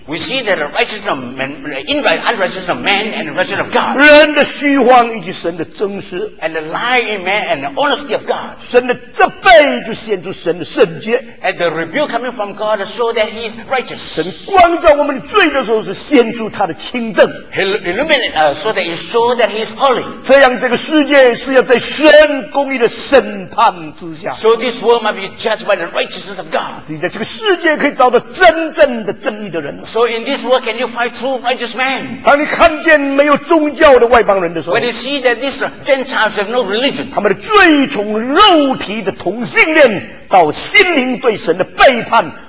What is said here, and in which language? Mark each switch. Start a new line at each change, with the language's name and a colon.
English: We see that the righteousness of man, unrighteousness of man and the righteousness of God.
Chinese: 人的虚妄以及神的真实。
English: And the lie in man and the honesty of God.
Chinese: 神的责备就显出神的圣洁。
English: And the rebuke coming from God show that He is righteous.
Chinese: 神光照我们的罪的时候是显出他的清正。
English: He illuminated so that He show that He is holy.
Chinese: 这样这个世界是要在神公义的审判之下。
English: So this world must be judged by the righteousness of God.
Chinese: 你在这个世界可以找到真正的正义的人。
English: So in this world can you find true righteous man?
Chinese: 当你看见没有宗教的外邦人的时候
English: ，When you see that this Gentiles have no religion,
Chinese: 他们的罪从肉体的同性恋到心灵对神的背叛。